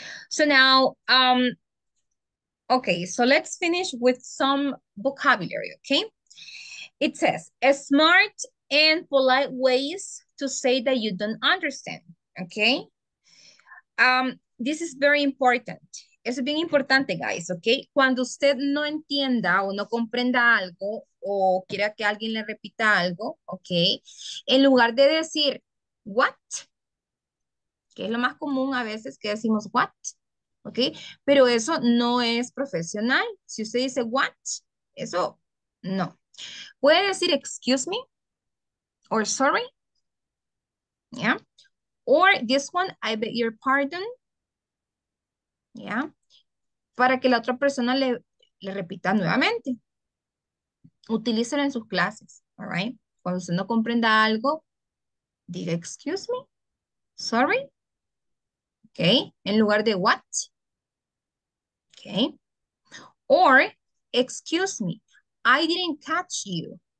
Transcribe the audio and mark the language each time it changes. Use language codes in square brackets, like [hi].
[en] So now okay, so let's finish with some vocabulary, okay? It says, a smart and polite ways to say that you don't understand, okay? This is very important. [es] Es bien importante, [en] guys, okay? [es] Cuando usted no entienda o no comprenda algo o quiera que alguien le repita algo, okay? En lugar de decir, what? Que es lo más común a veces que decimos, what? ¿Ok? Pero eso no es profesional. Si usted dice, what? Eso, no. Puede decir, [en] excuse me, or sorry, yeah? Or this one, I beg your pardon, yeah? [es] Para que la otra persona le repita nuevamente. Utilícelo en sus clases, [en] all right? [es] Cuando usted no comprenda algo, diga, [en] excuse me, sorry, [es] ¿ok? En lugar de, what? [en] Okay, or excuse me, I didn't catch you.